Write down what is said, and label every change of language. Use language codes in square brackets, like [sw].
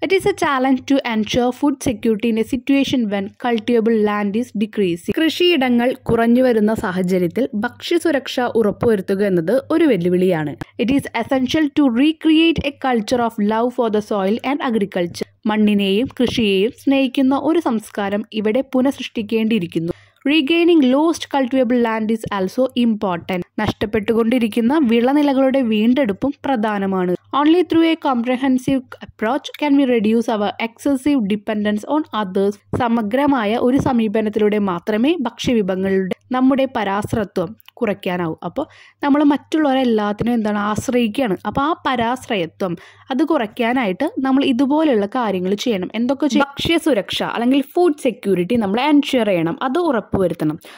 [en] It is a challenge to ensure food security in a situation when cultivable land is decreasing. [ml] കൃഷിയിടങ്ങൾ കുറഞ്ഞു വരുന്ന സാഹചര്യത്തിൽ ഭക്ഷ്യസുരക്ഷ ഉറപ്പുവരുത്തുക എന്നത് ഒരു വെല്ലുവിളിയാണ്. [en] It is essential to recreate a culture of love for the soil and agriculture. [ml] മണ്ണിനെയും കൃഷിയെയും സ്നേഹിക്കുന്ന ഒരു സംസ്കാരം ഇവിടെ പുനഃസൃഷ്ടിക്കേണ്ടിയിരിക്കുന്നു. [en] Regaining lost cultivable land is also important. [ml] നഷ്ടപ്പെട്ടുകൊണ്ടിരിക്കുന്ന വിളനിലകളുടെ വീണ്ടെടുപ്പും പ്രധാനമാണ്. [en] Only through a comprehensive approach can we reduce our excessive dependence on others. [ml] സമഗ്രമായ ഒരു സമീപനത്തിലൂടെ മാത്രമേ ഭക്ഷ്യവിഭവങ്ങളുടെ നമ്മുടെ പരാശ്രയത്വം കുറയ്ക്കാനാവും. അപ്പോൾ നമ്മൾ മറ്റുള്ളവരെ എല്ലാത്തിനും എന്താണ് ആശ്രയിക്കുകയാണ്. അപ്പോൾ ആ പരാശ്രയത്വം അത് കുറയ്ക്കാനായിട്ട് നമ്മൾ ഇതുപോലെയുള്ള കാര്യങ്ങൾ ചെയ്യണം. എന്തൊക്കെ ചെയ്യണം? ഭക്ഷ്യസുരക്ഷ അല്ലെങ്കിൽ ഫുഡ് സെക്യൂരിറ്റി നമ്മൾ എൻഷുർ ചെയ്യണം, അത് ഉറപ്പുവരുത്തണം.